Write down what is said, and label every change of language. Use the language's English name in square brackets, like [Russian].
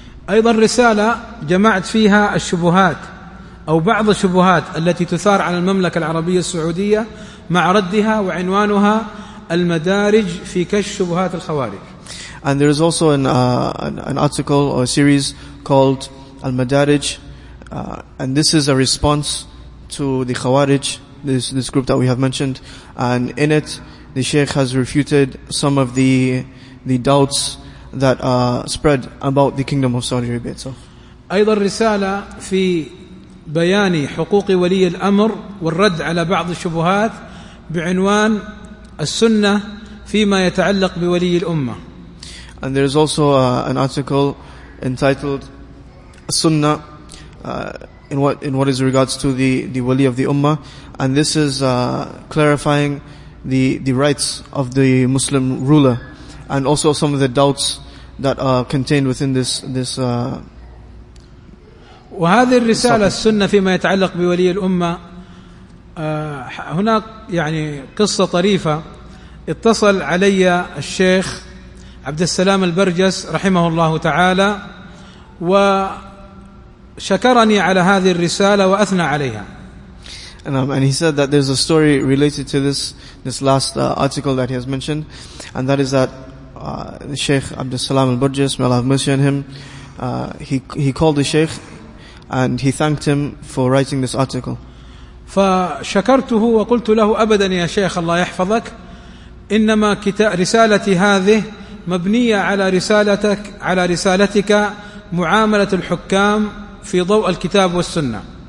[Arabic] أيضا رسالة جمعت فيها الشبهات أو بعض الشبهات التي تثار على المملكة العربية السعودية مع ردها وعنوانها المدارج في كشف شبهات الخوارج. [English] And there is also an article or a series called المدارج, and this is a response to the خوارج, this group that we have mentioned, and in it the Sheikh has refuted some of the doubts that spread about the kingdom of Saudi Arabia itself. [Arabic] أيضا رسالة في بيان حقوق ولي الأمر والرد على بعض الشبهات بعنوان السنة فيما يتعلق بولي الأمة. [English] And there is also an article entitled السنة in what is regards to the ولي of the Ummah, and this is clarifying the rights of the Muslim ruler and also some of the doubts that are contained within this [Arabic] وهذه الرسالة السنة فيما يتعلق بولي الأمة. هناك يعني قصة طريفة. اتصل علي الشيخ عبد السلام البرجس رحمه الله تعالى وشكرني على هذه الرسالة وأثنى عليها. [English] And he said that there's a story related to this last article that he has mentioned, and that is that Sheikh Abdul Salam al-Burjis, may Allah have mercy on him, he called the Sheikh and he thanked him for writing this article. [Arabic] فشكرته وقلت له أبدا يا شيخ الله يحفظك إنما رسالتي هذه مبنية على رسالتك على رسالتك معاملة الحكام في ضوء الكتاب والسنة.